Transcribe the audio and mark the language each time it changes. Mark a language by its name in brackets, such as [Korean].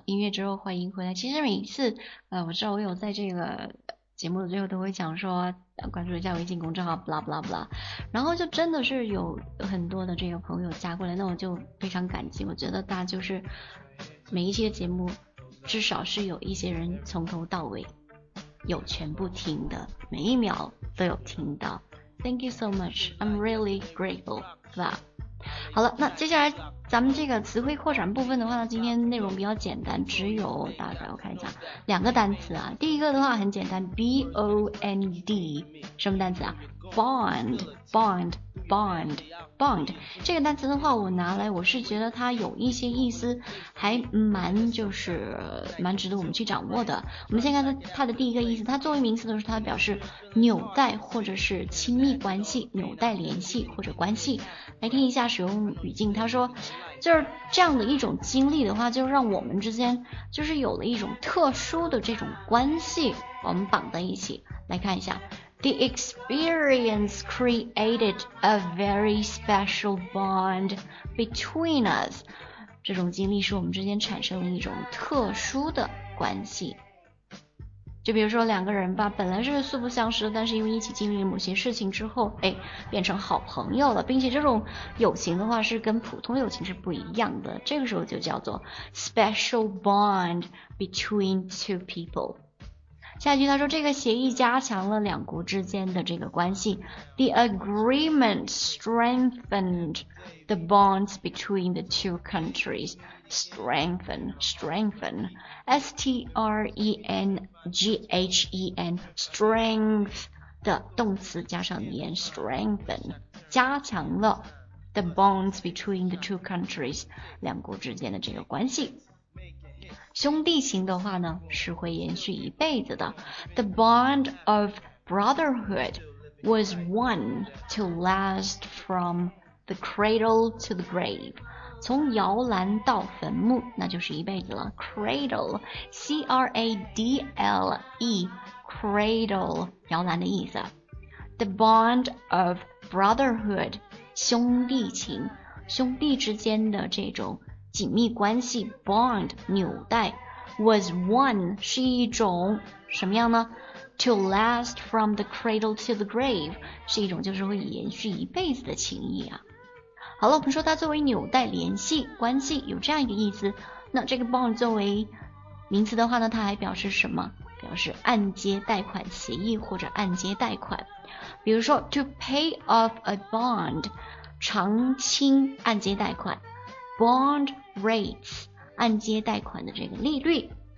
[Chinese] 之后欢迎回来。其实每一次我知道我有在这个节目的最后都会讲说关注一下微信公众号 blah blah blah， 然后就真的是有很多的这个朋友加过来，那我就非常感激，我觉得大家就是每一期的节目至少是有一些人从头到尾有全部听的，每一秒都有听到。 [English] Thank you so much, I'm really grateful for that。 [Chinese] 好了，那接下来咱们这个词汇扩展部分的话呢，今天内容比较简单，只有大概我看一下两个单词啊。第一个的话很简单， B-O-N-D 什么单词啊？ Bond 这个单词的话，我拿来我是觉得它有一些意思还蛮就是蛮值得我们去掌握的。我们先看它的第一个意思，它作为名词的时候，它表示纽带或者是亲密关系，纽带联系或者关系。来听一下使用语境，它说就是这样的一种经历的话，就让我们之间就是有了一种特殊的这种关系，我们绑在一起。 [English] 来看一下，The experience created a very special bond between us. [Chinese] 这种经历使我们之间产生了一种特殊的关系。就比如说两个人吧，本来是素不相识，但是因为一起经历了某些事情之后，哎，变成好朋友了。并且这种友情的话是跟普通友情是不一样的，这个时候就叫做 [English] special bond between two people。 [Chinese] 下一句他说，这个协议加强了两国之间的这个关系。 [English] The agreement strengthened the bonds between the two countries. [Chinese] Strengthen S-T-R-E-N-G-H-E-N Strength 的动词加上言 Strengthen 加强了 [English] the bonds between the two countries [Chinese] 两国之间的这个关系。兄弟情的话呢，是会延续一辈子的。 [English] The bond of brotherhood was one to last from the cradle to the grave. [Chinese] 从摇篮到坟墓，那就是一辈子了。 Cradle, C-R-A-D-L-E, cradle, 摇篮的意思。 [English] The bond of brotherhood, [Chinese] 兄弟情，兄弟之间的这种紧密关系 bond 纽带 was one 是一种什么样呢？ [English] to last from the cradle to the grave [Chinese] 是一种就是会延续一辈子的情谊啊。好了，我们说它作为纽带联系关系有这样一个意思，那这个 bond 作为名词的话呢，它还表示什么？表示按揭贷款协议或者按揭贷款。比如说 [English] to pay off a bond [Chinese] 偿清按揭贷款， [English] Bond rates, [Chinese] 按揭贷款的这个利率。